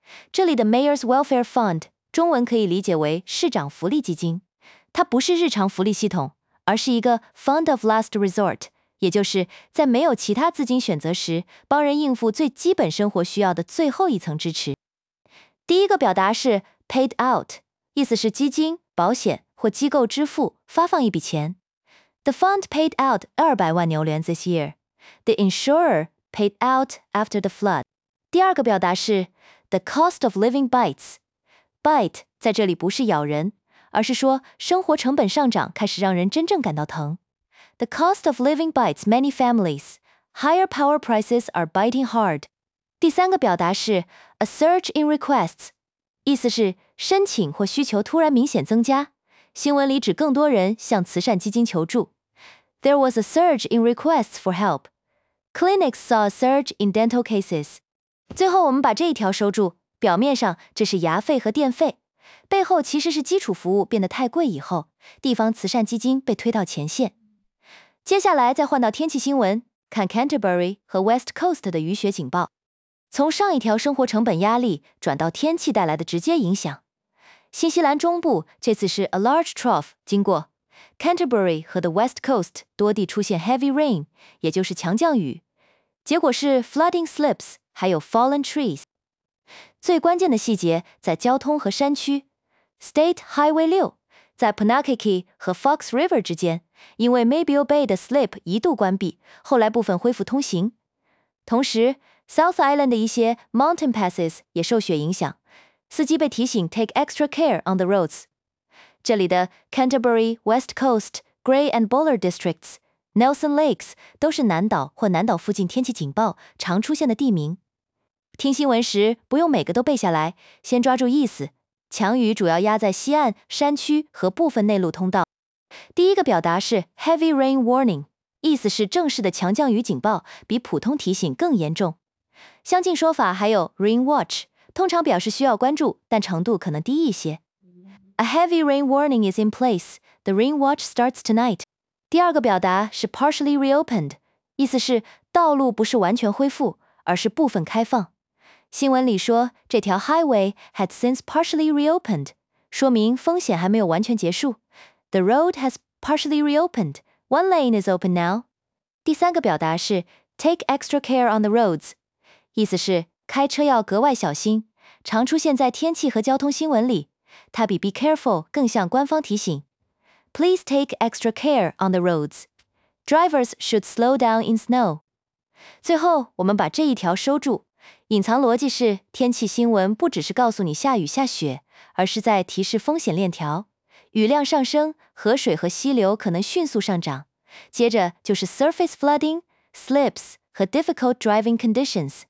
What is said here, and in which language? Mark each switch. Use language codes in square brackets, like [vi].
[zh] 这里的 Mayor's Welfare Fund 中文可以理解为市长福利基金，它不是日常福利系统，而是一个 Fund of Last Resort， 也就是在没有其他资金选择时，帮人应付最基本生活需要的最后一层支持。第一个表达是 paid out， 意思是基金、保险或机构支付、发放一笔钱。 [en] The fund paid out [zh] 200万纽联 [en] this year. The insurer paid out after the flood. [zh] 第二个表达是 [en] the cost of living bites. [zh] Bite 在这里不是咬人，而是说生活成本上涨开始让人真正感到疼。 [en] The cost of living bites many families. Higher power prices are biting hard. [zh] 第三个表达是 [en] a surge in requests. [zh] 意思是申请或需求突然明显增加。新闻里指更多人向慈善基金求助。 [en] There was a surge in requests for help. Clinics saw a surge in dental cases. [zh] 最后我们把这一条收住，表面上这是牙费和电费，背后其实是基础服务变得太贵以后，地方慈善基金被推到前线。接下来再换到天气新闻，看 Canterbury 和 West Coast 的雨雪警报。从上一条生活成本压力转到天气带来的直接影响。新西兰中部这次是 a large trough 经过 Canterbury 和 the West Coast 多地出现 heavy rain， 也就是强降雨，结果是 flooding slips 还有 fallen trees。最关键的细节在交通和山区， State Highway 6在 Punakiki 和 Fox River 之间因为 Mabille Bay 的 slip 一度关闭，后来部分恢复通行。同时 South Island 的一些 mountain passes 也受雪影响，司机被提醒 [en] take extra care on the roads。 [zh] 这里的 Canterbury, West Coast, Grey and Buller Districts, Nelson Lakes 都是南岛或南岛附近天气警报常出现的地名。听新闻时不用每个都背下来，先抓住意思。强雨主要压在西岸、山区和部分内陆通道。第一个表达是 Heavy Rain Warning， 意思是正式的强降雨警报比普通提醒更严重。相近说法还有 Rain Watch，通常表示需要关注，但程度可能低一些。 [en] A heavy rain warning is in place. The rain watch starts tonight. [zh] 第二个表达是 partially reopened， 意思是道路不是完全恢复，而是部分开放。新闻里说这条 [en] highway had since partially reopened， [zh] 说明风险还没有完全结束。 [en] The road has partially reopened. One lane is open now. [zh] 第三个表达是 [en] take extra care on the roads， [zh] 意思是开车要格外小心，常出现在天气和交通新闻里，它比 be careful 更像官方提醒。 [en] Please take extra care on the roads. Drivers should slow down in snow. [zh] 最后，我们把这一条收住。隐藏逻辑是，天气新闻不只是告诉你下雨下雪，而是在提示风险链条。雨量上升，河水和溪流可能迅速上涨。接着就是 surface flooding, slips,和 difficult driving conditions。